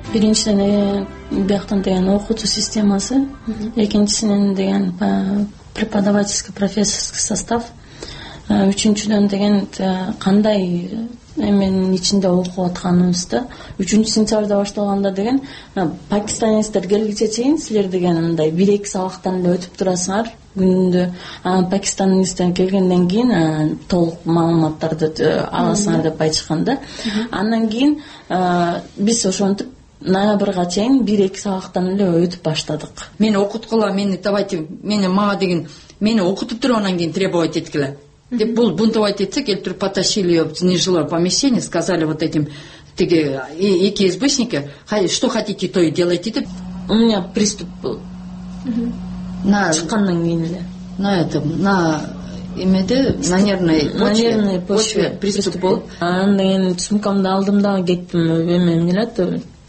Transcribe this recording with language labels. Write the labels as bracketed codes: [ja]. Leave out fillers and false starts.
[ky] Биринчиден бияктан деген окутуу системасы, экинчисинен деген преподавательский профессорский состав, үчүнчүдөн деген кандай эменин ичинде окуп атканыбызды, 3-сентябрда башталганда деген пакистанецтер келгиче чейин силер деген мындай 1-2 сабактан эле өтүп турасыңар күнүндө, анан пакистанецтен келгенден кийин толук маалыматтарды аласыңар деп айтышкан да. Андан кийин биз ошентип ноябрга чейин 1-2 сабактан эле өтүп баштадык. Мени окуткула, мени давайте, мени мага деген, мени окутуп туруп анан кийин требовать эткиле. Деп бул [ru] бунтовать [ky] этсек, эл туруп [ru] потащили её в нежилое помещение, сказали вот этим [ky] тиги эки [ru] избышники, что хотите, то и делайте [ky] деп. [ru] У меня приступ был. На [ky] чыкканнан кийин эле. [ru] На этом, [ky] на эмеде, [ru] на нервной почве. На нервной почве приступ был. [ky] Анан деген сумкамды алдым да, кеттим өбөмө эмнелет.